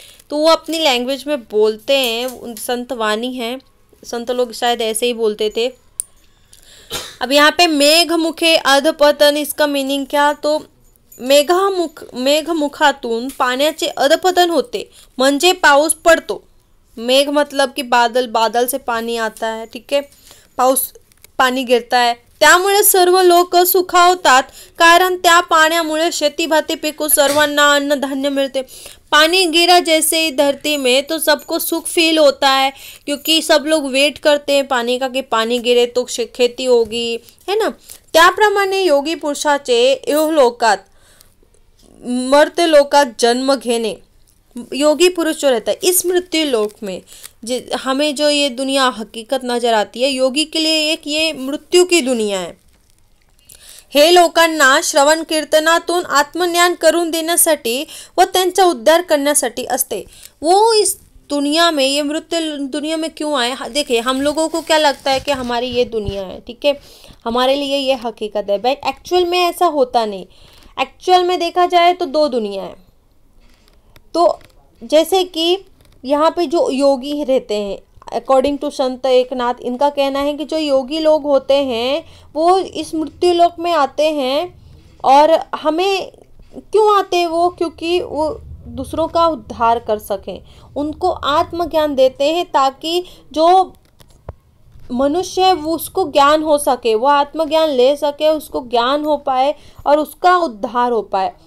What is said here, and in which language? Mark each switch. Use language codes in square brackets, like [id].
[hi] तो वो अपनी लैंग्वेज में बोलते हैं, संत वाणी है, संत लोग शायद ऐसे ही बोलते थे। अब यहाँ पे मेघ मुखे अधपतन, इसका मीनिंग क्या, तो [mr] मेघ मुखातून पाण्याचे अधपतन होते, म्हणजे पाऊस पडतो, [hi] मेघ मतलब कि बादल, बादल से पाणी आता है, ठीक है, [mr] पाऊस पाणी गिरता है, त्यामुळे सर्व लोक सुखावतात, कारण त्या पाण्यामुळे शेतीभाती पिकू सर्वांना अन्न धान्य मिळते। [hi] पाणी गिरा जैसे ही धरती में तो सबको सुख फील होता है, क्योंकि सब लोग वेट करते हैं पाणी का, कि पाणी गिरे तो खेती होगी, है ना। [mr] त्याप्रमाणे योगी पुरुषाचे इहलोकात मर्त्य लोकात जन्म घेणे, [hi] योगी पुरुष जो रहता है इस मृत्यु लोक में, हमें जो ये दुनिया हकीकत नजर आती है, योगी के लिए एक ये मृत्यु की दुनिया है। [mr] हे लोकांना श्रवण कीर्तनातून आत्मज्ञान करून देण्यासाठी व त्यांचा उद्धार करण्यासाठी असते, [hi] वो इस दुनिया में, ये मृत्यु दुनिया में क्यों आए। देखिए हम लोगों को क्या लगता है कि हमारी ये दुनिया है, ठीक है, हमारे लिए ये हकीकत है, बट एक्चुअल में ऐसा होता नहीं। एक्चुअल में देखा जाए तो दो दुनिया है। तो जैसे कि यहाँ पे जो योगी ही रहते हैं, अकॉर्डिंग टू संत एकनाथ, इनका कहना है कि जो योगी लोग होते हैं वो इस मृत्यु लोक में आते हैं, और हमें क्यों आते हैं वो, क्योंकि वो दूसरों का उद्धार कर सकें, उनको आत्मज्ञान देते हैं, ताकि जो मनुष्य है वो उसको ज्ञान हो सके, वो आत्मज्ञान ले सके, उसको ज्ञान हो पाए और उसका उद्धार हो पाए।